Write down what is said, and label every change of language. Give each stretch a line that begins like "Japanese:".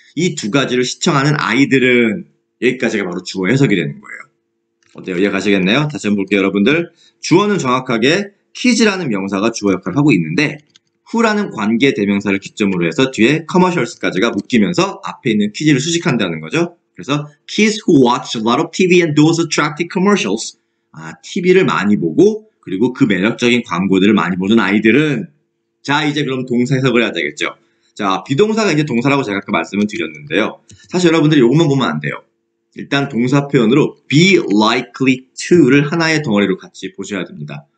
Korean: 이 두 가지를 시청하는 아이들은 여기까지가 바로 주어 해석이 되는 거예요. 어때요? 이해 가시겠나요? 다시 한번 볼게요, 여러분들. 주어는 정확하게 kids라는 명사가 주어 역할을 하고 있는데 후라는 관계 대명사를 기점으로 해서 뒤에 commercials까지가 묶이면서 앞에 있는 퀴즈를 수식한다는 거죠.
English: 그래서 kids who watch a lot of TV and those attractive commercials.
Korean: 아, TV를 많이 보고 그리고 그 매력적인 광고들을 많이 보는 아이들은 자, 이제 그럼 동사 해석을 해야 되겠죠. 자, 비동사가 이제 동사라고 제가 아까 말씀을 드렸는데요. 사실 여러분들이 이것만 보면 안 돼요. 일단 동사 표현으로 be likely to를 하나의 덩어리로 같이 보셔야 됩니다.